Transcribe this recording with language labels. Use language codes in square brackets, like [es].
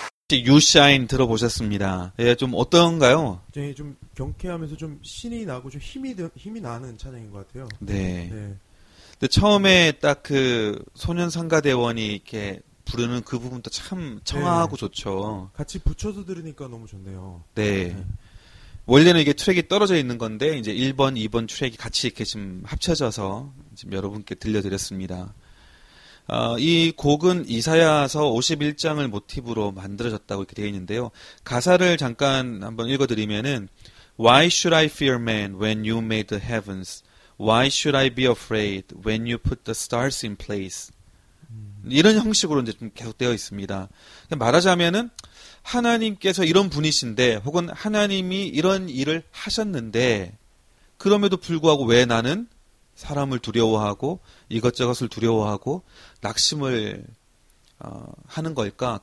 [ko] You Shine 들어보셨습니다. 예, 좀 어떤가요? 굉장히 좀 경쾌하면서 좀 신이 나고 좀 힘이 나는 찬양인 것 같아요. 네. 네. 근데 처음에 딱 그 소년 상가대원이 이렇게 부르는 그 부분도 참 청아하고 네. 좋죠. 같이 붙여서 들으니까 너무 좋네요. 네. 네. 원래는 이게 트랙이 떨어져 있는 건데 이제 1번, 2번 트랙이 같이 이렇게 지금 합쳐져서 지금 여러분께 들려드렸습니다. 이 곡은 이사야서 51장을 모티브로 만들어졌다고 이렇게 되어 있는데요. 가사를 잠깐 한번 읽어드리면은 [en] Why should I fear man when you made the heavens? Why should I be afraid when you put the stars in place? [ko] 이런 형식으로 이제 좀 계속 되어 있습니다. 말하자면은 하나님께서 이런 분이신데 혹은 하나님이 이런 일을 하셨는데 그럼에도 불구하고 왜 나는 사람을 두려워하고 이것저것을 두려워하고 낙심을 하는 걸까?